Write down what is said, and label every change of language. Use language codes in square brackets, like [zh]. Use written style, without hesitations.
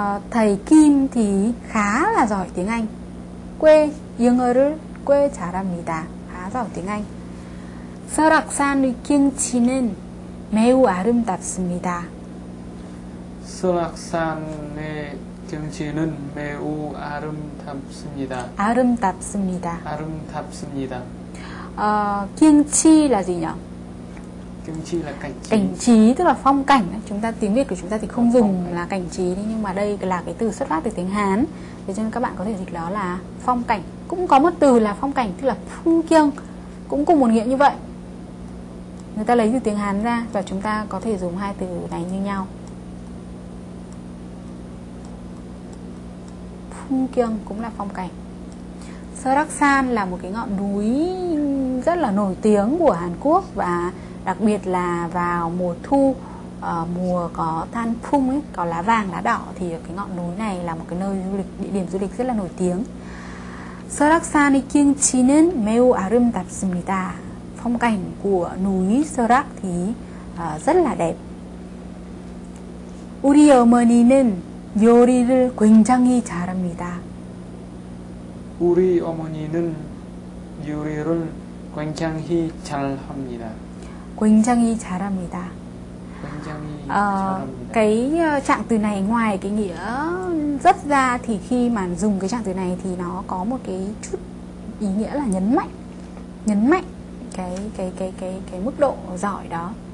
[vi] Thầy Kim thì khá là giỏi tiếng Anh. [ko] 꽤 영어를 꽤 잘합니다. 아, 잘 [vi] tiếng Anh. [ko] 설악산의 경치는 매우 아름답습니다. 설악산의 경치는 매우 아름답습니다. 아름답습니다. 아름답습니다. [vi] 경치 là gì nhỉ? 경치 là cảnh trí. Cảnh trí tức là phong cảnh. Chúng ta tiếng Việt của chúng ta thì không dùng là cảnh trí, nhưng mà đây là cái từ xuất phát từ tiếng Hán. Thế cho nên các bạn có thể dịch đó là phong cảnh. Cũng có một từ là phong cảnh, tức là phung kiêng, cũng cùng một nghĩa như vậy. Người ta lấy từ tiếng Hán ra và chúng ta có thể dùng hai từ này như nhau. Phung kiêng cũng là phong cảnh. Seoraksan là một cái ngọn núi rất là nổi tiếng của Hàn Quốc, và đặc biệt là vào mùa thu, mùa có than phung ấy, có lá vàng, lá đỏ, thì cái ngọn núi này là một cái nơi du lịch, địa điểm du lịch rất là nổi tiếng. [ko] 설악산의 경치는 매우 아름답습니다. [vi] Phong cảnh của núi Serac thì rất là đẹp. [ko] 우리 어머니는 요리를 굉장히 잘합니다. 우리 어머니는 요리를 굉장히 잘합니다. 굉장히 잘합니다. 굉장히 잘합니다. [vi] Cái trạng từ này ngoài cái nghĩa rất ra thì khi mà dùng cái trạng từ này thì nó có một cái chút ý nghĩa là nhấn mạnh. Nhấn mạnh cái mức độ giỏi đó.